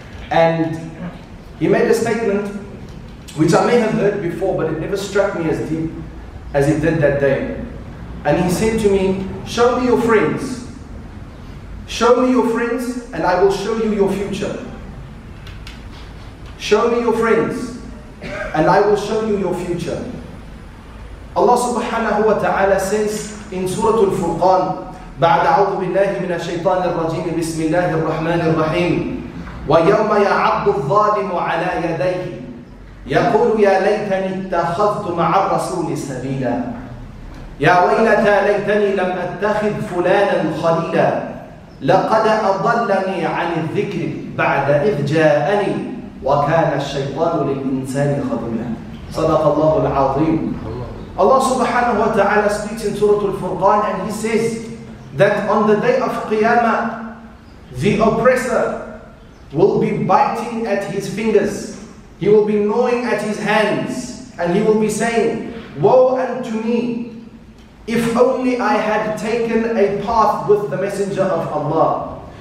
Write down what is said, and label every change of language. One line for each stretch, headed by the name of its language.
English: And he made a statement which I may have heard before, but it never struck me as deep as it did that day. And he said to me, show me your friends. Show me your friends and I will show you your future. Show me your friends and I will show you your future. Allah subhanahu wa ta'ala says in Surah Al-Furqan,
Arabic: بعد أعوذ بالله من الشيطان الرجيم بسم الله الرحمن الرحيم وَيَوْمَ يَعَضُّ الظَّالِمُ عَلَى يَدَيْهِ يَقُولُ يَا لَيْتَنِي اتَّخَذْتُ مَعَ الرَّسُولِ سَبِيلًا يَا وَيْلَتَى لَيْتَنِي لَمْ أَتَّخِذْ فُلَانًا خَلِيلًا لَقَدْ أَضَلَّنِي عَنِ الذِّكْرِ بَعْدَ إِذْ جَاءَنِي وَكَانَ الشَّيْطَانُ لِلْإِنسَانِ خَذُولًا. صدق الله العظيم.
English: Allah subhanahu wa ta'ala speaks in Surah Al-Furqan and he says that on the day of Qiyamah, the oppressor will be biting at his fingers. He will be gnawing at his hands and he will be saying, woe unto me, if only I had taken a path with the Messenger of Allah.